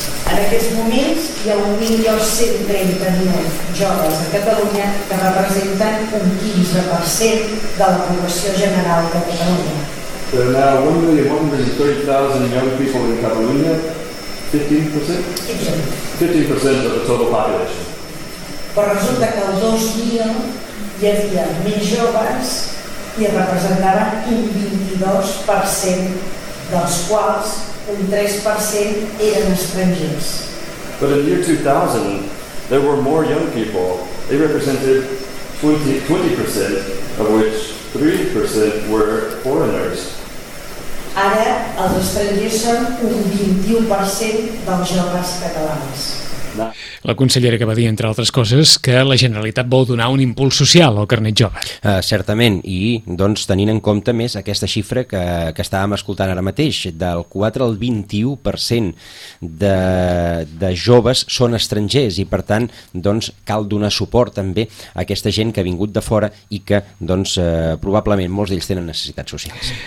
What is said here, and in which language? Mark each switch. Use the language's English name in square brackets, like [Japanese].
[Catalan] En aquests moments hi ha 1.130.000 joves a Catalunya que representen un 15% de la població general de Catalunya. [English] There are now 1,130,000 young people in Catalonia, 15%? 15% of the total population. [Catalan] Però resulta que el 2000 hi havia més joves i representava un 22%, dels quals un 3% eren estrangers. [English] But in the year 2000, there were more young people. They represented 20%, of which 3% were foreigners. [Catalan] Ara, els estrangers són un 21% dels joves catalans. La consellera que va dir, entre altres coses, que la Generalitat vol donar un impuls social al carnet jove. Certament, i doncs, tenint en compte més aquesta xifra que estàvem escoltant ara mateix, del 4 al 21% de joves són estrangers i, per tant, doncs, cal donar suport també a aquesta gent que ha vingut de fora i que doncs, probablement molts d'ells tenen necessitats socials.